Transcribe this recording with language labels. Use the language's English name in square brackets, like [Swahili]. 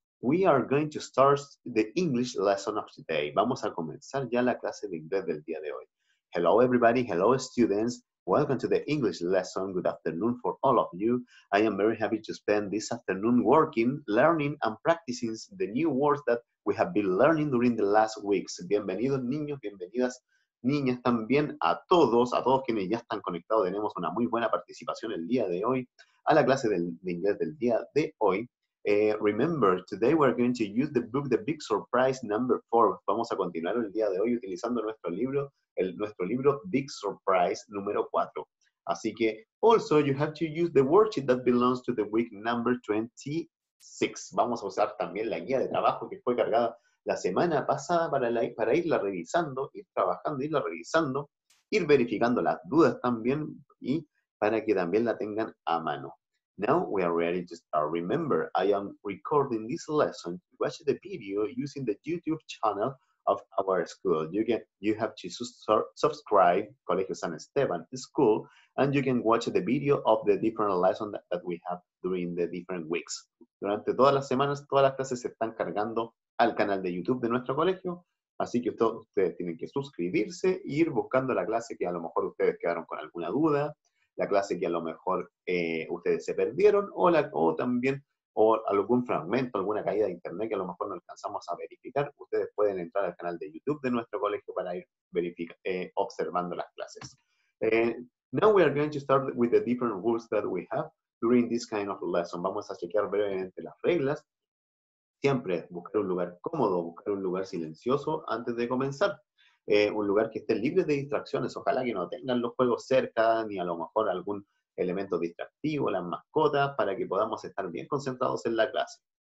[English] We are going to start the English lesson of today. [Spanish] Vamos a comenzar ya la clase de inglés del día de hoy. [English] Hello everybody, hello students. Welcome to the English lesson. Good afternoon for all of you. I am very happy to spend this afternoon working, learning and practicing the new words that we have been learning during the last weeks. [Spanish] Bienvenidos niños, bienvenidas niñas también a todos quienes ya están conectados. Tenemos una muy buena participación el día de hoy a la clase de inglés del día de hoy. [English] Remember, today we're going to use the book The Big Surprise number 4. [Spanish] Vamos a continuar el día de hoy utilizando nuestro libro Big Surprise número 4. Así que, [English] also you have to use the worksheet that belongs to the week number 26. [Spanish] Vamos a usar también la guía de trabajo que fue cargada la semana pasada para irla revisando, ir trabajando, irla revisando, ir verificando las dudas también y para que también la tengan a mano. [English] Now we are ready to start. Remember, I am recording this lesson. Watch the video using the YouTube channel of our school. You have to subscribe Colegio San Esteban School, and you can watch the video of the different lessons that we have during the different weeks. [Spanish] Durante todas las semanas, todas las clases se están cargando al canal de YouTube de nuestro colegio, así que ustedes tienen que suscribirse e ir buscando la clase que a lo mejor ustedes quedaron con alguna duda, la clase que a lo mejor ustedes se perdieron, o algún fragmento, alguna caída de internet que a lo mejor no alcanzamos a verificar. Ustedes pueden entrar al canal de YouTube de nuestro colegio para ir observando las clases. [English] Now we are going to start with the different rules that we have during this kind of lesson. [Spanish] Vamos a chequear brevemente las reglas. Siempre buscar un lugar cómodo, buscar un lugar silencioso antes de comenzar. Un lugar que esté libre de distracciones, ojalá que no tengan los juegos cerca, ni a lo mejor algún elemento distractivo, las mascotas, para que podamos estar bien concentrados en la clase.